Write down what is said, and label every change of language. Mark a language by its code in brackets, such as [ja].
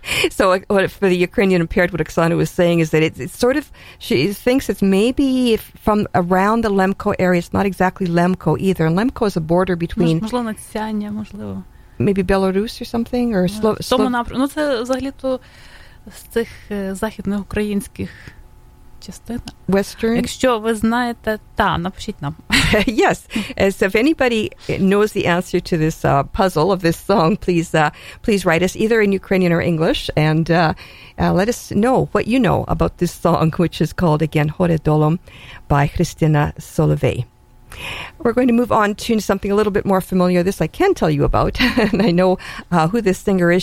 [en] So what for the Ukrainian impaired, what Oksana was saying is that it's sort of, she thinks it's maybe from around the Lemko area. It's not exactly Lemko either. And Lemko is a border between... [uk] Можливо, Надсяння, можливо. [en] Maybe Belarus or something? Or [uk] Тому, ну, це взагалі-то... з цих західноукраїнських частина. [en] Western. [uk] Якщо ви знаєте, та, напишіть нам. [en] Yes. So if anybody knows the answer to this puzzle of this song, please write us either in Ukrainian or English and let us know what you know about this song, which is called again Hore Dolom by Christina Solovey. We're going to move on to something a little bit more familiar. This I can tell you about, and I know who this singer is.